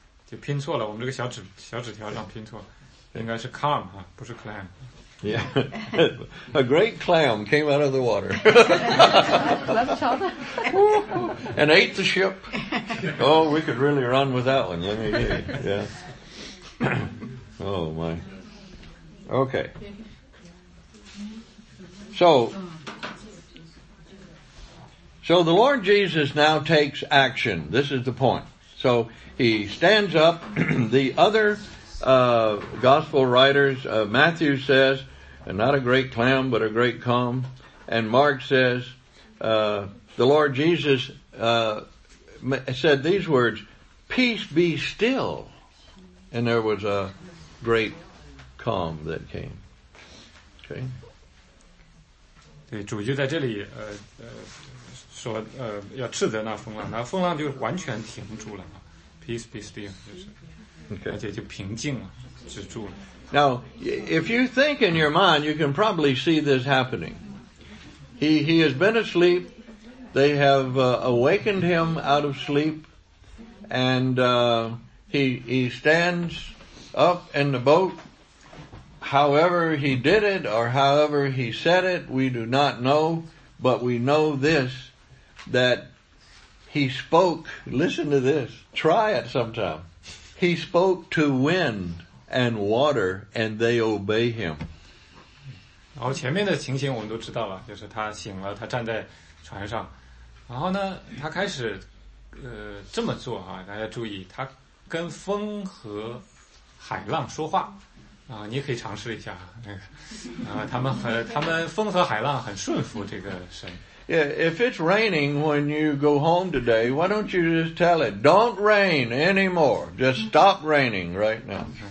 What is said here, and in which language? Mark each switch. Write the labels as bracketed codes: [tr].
[zh] 就拼错了我们这个小纸条上拼错应该是 calm 不是 clam [en] Yeah, a great clam came out of the water and ate the ship. Oh, we could really run with that one. Let me hear it. Yeah. Oh, my. Okay. So the Lord Jesus now takes action. This is the point. So he stands up. The other gospel writers, Matthew says,And not a great clam, but a great calm. And Mark says, the Lord Jesus said these words, Peace be still. And there was a great calm that came. Okay. [zh] 对，主就在这里说要斥责那风浪，那风浪就完全停住了。 [en] Peace be still. [zh] 而且就平静了，止住了。 [en] Now, if you think in your mind, you can probably see this happening. He has been asleep. They have awakened him out of sleep. And he stands up in the boat. However he did it or however he said it, we do not know. But we know this, that he spoke. Listen to this. Try it sometime. He spoke to wind. And water, and they obey him. [zh] 然后前面的情形我们都知道了，就是他醒了，他站在船上，然后呢，他开始这么做啊，大家注意，他跟风和海浪说话啊，你可以尝试一下那个啊，他们风和海浪很顺服这个神。 [en] Yeah, if it's raining when you go home today, why don't you just tell it, don't rain anymore. Just stop raining right now.